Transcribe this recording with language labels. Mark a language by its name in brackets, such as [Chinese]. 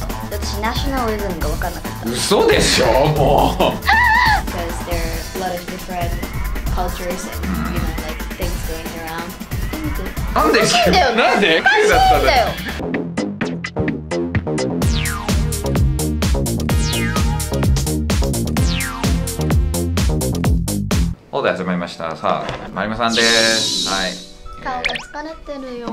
[Japanese] 私ナショナリズムが分からなかった。嘘でしょ、もう。 [English] Because there are a lot of different cultures and you know like things going around. [Japanese] なんで 9だったの？なんで9だったの？おかしいんだよ。そうだ、始まりました。さあ、まりまさんです。はい、顔が疲れてるよ。